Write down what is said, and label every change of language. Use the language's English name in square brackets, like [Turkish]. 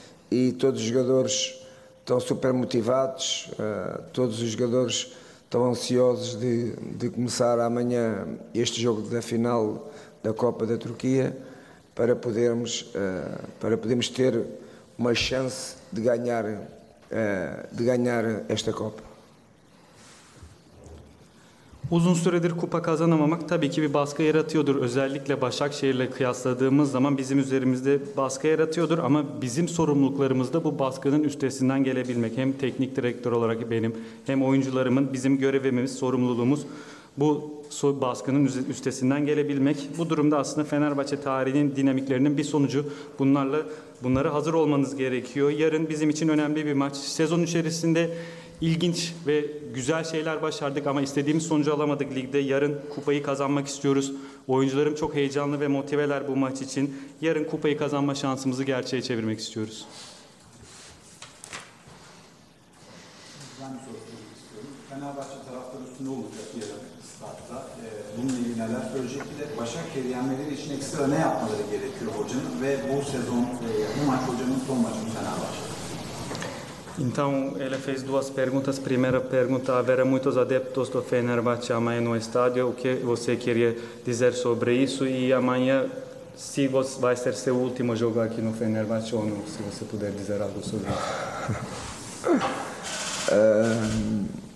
[Portuguese] E todos os jogadores estão super motivados, todos os jogadores estão ansiosos de começar amanhã este jogo da final da Copa da Turquia para podermos ter uma chance de ganhar esta Copa. [Turkish] Uzun süredir kupa kazanamamak tabii ki bir baskı yaratıyordur. Özellikle Başakşehir'le kıyasladığımız zaman bizim üzerimizde baskı yaratıyordur. Ama bizim sorumluluklarımız da bu baskının üstesinden gelebilmek. Hem teknik direktör olarak benim, hem oyuncularımın, bizim görevimiz, sorumluluğumuz bu baskının üstesinden gelebilmek. Bu durumda aslında Fenerbahçe tarihinin dinamiklerinin bir sonucu. Bunlara hazır olmanız gerekiyor. Yarın bizim için önemli bir maç. Sezon içerisinde İlginç ve güzel şeyler başardık ama istediğimiz sonucu alamadık ligde. Yarın kupayı kazanmak istiyoruz. Oyuncularım çok heyecanlı ve motiveler bu maç için. Yarın kupayı kazanma şansımızı gerçeğe çevirmek istiyoruz. Ben bir soru sormak istiyorum. Fenerbahçe taraftarı üstünde olacak yarın statta. Bununla ilgili neler söyleyecek? Bir de Başakşehir'i yenmeleri için ekstra ne yapmaları gerekiyor hocanın? Ve bu sezon bu maç hocanın son maçı mı Fenerbahçe? [Portuguese] Então, ele fez duas perguntas. Primeira pergunta, haverá muitos adeptos do Fenerbahçe amanhã no estádio. O que você queria dizer sobre isso? E amanhã, se vai ser seu último jogo aqui no Fenerbahçe ou não? Se você puder dizer algo sobre isso.